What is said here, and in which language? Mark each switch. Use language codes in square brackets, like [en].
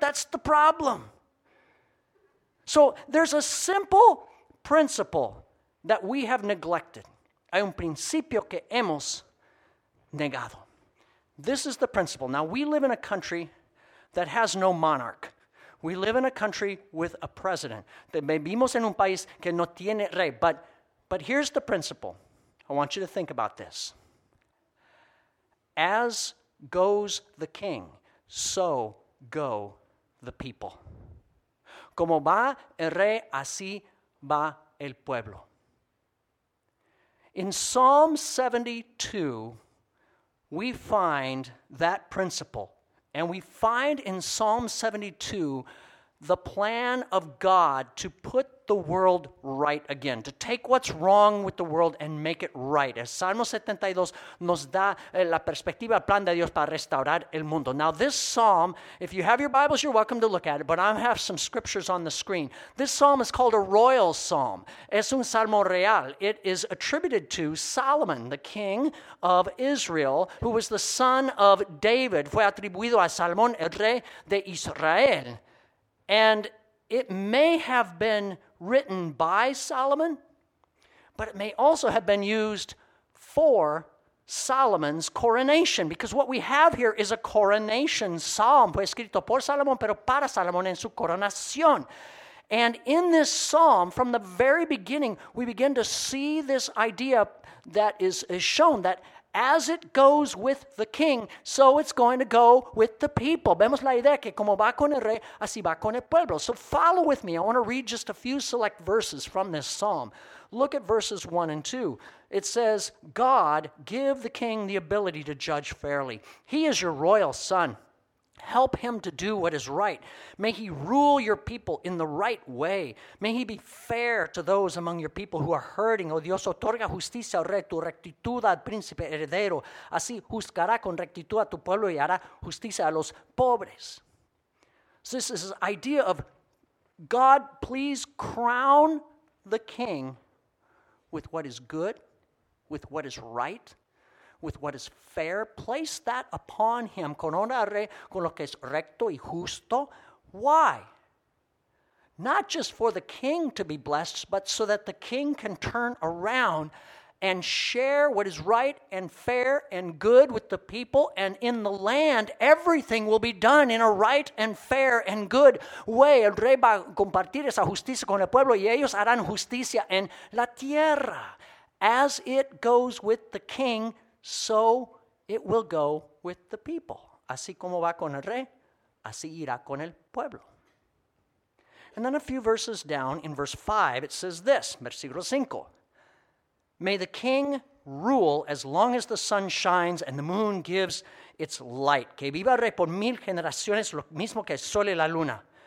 [en] That's the problem. So there's a simple principle that we have neglected. [es] Hay un principio que hemos negado. [en] This is the principle. Now, we live in a country that has no monarch. We live in a country with a president. [es] Vivimos en un país que no tiene rey. [en] But here's the principle. I want you to think about this. As goes the king, so go the people. [es] Como va el rey, así va el pueblo. [en] In Psalm 72, we find that principle. And we find in Psalm 72 the plan of God to put the world right again, to take what's wrong with the world and make it right. [es] El Salmo 72 nos da la perspectiva, el plan de Dios para restaurar el mundo. [en] Now this psalm, if you have your Bibles, you're welcome to look at it, but I have some scriptures on the screen. This psalm is called a royal psalm. [es] Es un salmo real. [en] It is attributed to Solomon, the king of Israel, who was the son of David. [es] Fue atribuido a Salomón, el rey de Israel. [en] And it may have been written by Solomon, but it may also have been used for Solomon's coronation, because what we have here is a coronation psalm. [es] Fue escrito por Salomón, pero para Salomón en su coronación. [en] And in this psalm, from the very beginning, we begin to see this idea that is shown that as it goes with the king, so it's going to go with the people. [es] Vemos la idea que como va con el rey, así va con el pueblo. [en] So follow with me. I want to read just a few select verses from this psalm. Look at verses 1 and 2. It says, God, give the king the ability to judge fairly. He is your royal son. Help him to do what is right. May he rule your people in the right way. May he be fair to those among your people who are hurting. [es] Oh, Dios, otorga justicia al rey, tu rectitud al príncipe heredero. Así juzgará con rectitud a tu pueblo y hará justicia a los pobres. [en] So this is the idea of God, please crown the king with what is good, with what is right, with what is fair, place that upon him. [es] Corona al rey con lo que es recto y justo. [en] Why? Not just for the king to be blessed, but so that the king can turn around and share what is right and fair and good with the people and in the land. Everything will be done in a right and fair and good way. [es] El rey va a compartir esa justicia con el pueblo y ellos harán justicia en la tierra. [en] As it goes with the king, so it will go with the people. [es] Así como va con el rey, así irá con el pueblo. [en] And then a few verses down in verse 5, it says this, [es] versículo 5. [en] May the king rule as long as the sun shines and the moon gives its light. [es] Que viva el rey por mil generaciones, lo mismo que el sol y la luna.